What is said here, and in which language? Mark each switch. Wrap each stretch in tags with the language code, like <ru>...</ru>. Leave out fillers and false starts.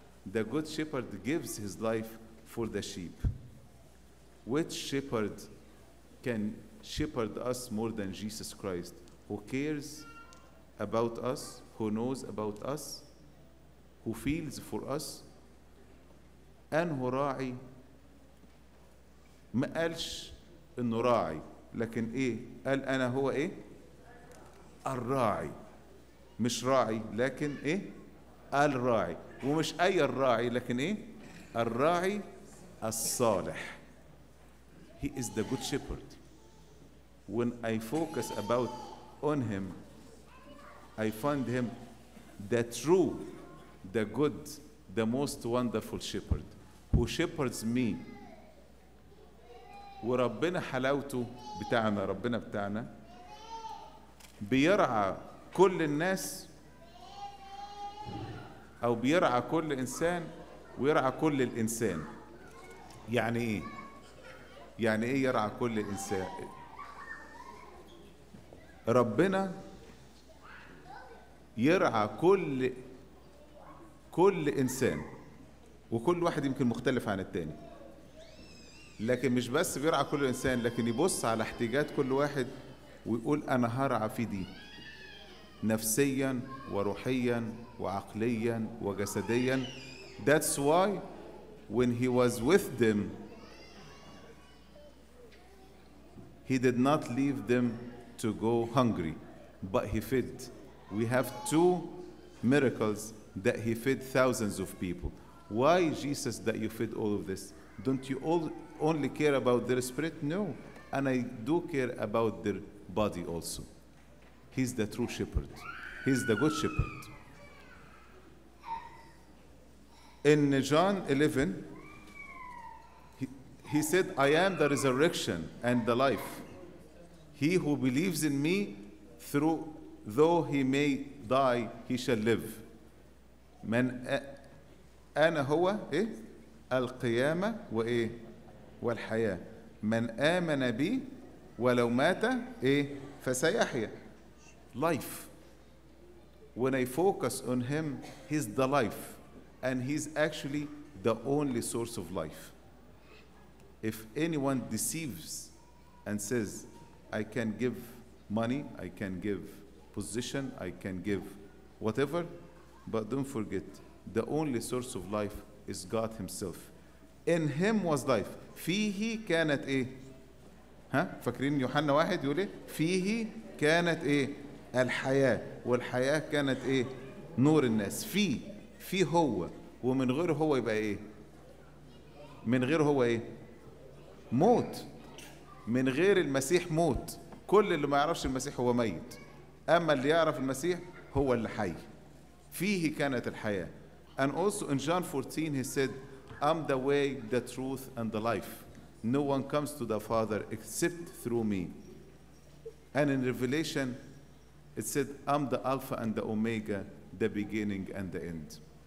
<en>The good shepherd gives his life for the sheep. Which shepherd can shepherd us more than Jesus Christ, who cares about us, who knows about us, who feels for us, and who ra'i?</en> <ar>ما قالش انه راعي، لكن ايه؟ قال انا هو ايه؟ الراعي. مش راعي لكن ايه؟ الراعي. ومش اي الراعي لكن ايه؟ الراعي الصالح.</ar> <en>He is the good shepherd. When I focus about on him, I find him the true, the good, the most wonderful shepherd who shepherds me.</en> <ar>وربنا حلاوته بتاعنا، ربنا بتاعنا بيرعى كل الناس، أو بيرعى كل إنسان ويرعى كل الإنسان. يعني إيه؟ يعني إيه يرعى كل إنسان؟ ربنا يرعى كل إنسان، وكل واحد يمكن مختلف عن التاني، لكن مش بس بيرعى كل إنسان، لكن يبص على احتياجات كل واحد ويقول أنا هرعى في دي نفسيا وروحيا وعقليا وجسديا.</ar> <en>That's why when he was with them he did not leave them to go hungry, but he fed. We have two miracles that he fed thousands of people. Why Jesus that you fed all of this? Don't you all only care about their spirit? No, and I do care about their body also. He's the true shepherd. He's the good shepherd. In John 11, he said, I am the resurrection and the life. He who believes in me through though he may die, he shall live.</en> <ar>من آن هو إيه؟ القيامة وإيه؟ والحياة. من آمن بي ولو مات إيه؟ فسيحيا.</ar> <en>Life. When I focus on him, he's the life. And he's actually the only source of life. If anyone deceives and says, I can give money, I can give position, I can give whatever, but don't forget, the only source of life is God himself. In him was life.</en> <ar>فيه كانت إيه؟ ها؟ فاكرين يوحنا واحد يقول إيه؟ فيه كانت إيه؟ الحياة. والحياة كانت إيه؟ نور الناس. في هو. ومن غيره هو يبقى إيه؟ من غيره هو إيه؟ موت. من غير المسيح موت. كل اللي ما يعرفش المسيح هو ميت. أما اللي يعرف المسيح هو اللي حي. فيه كانت الحياة.</ar> <en>And also in John 14 he said, I'm the way, the truth, and the life. No one comes to the Father except through me. And in Revelation, it said, I'm the Alpha and the Omega, the beginning and the end.</en>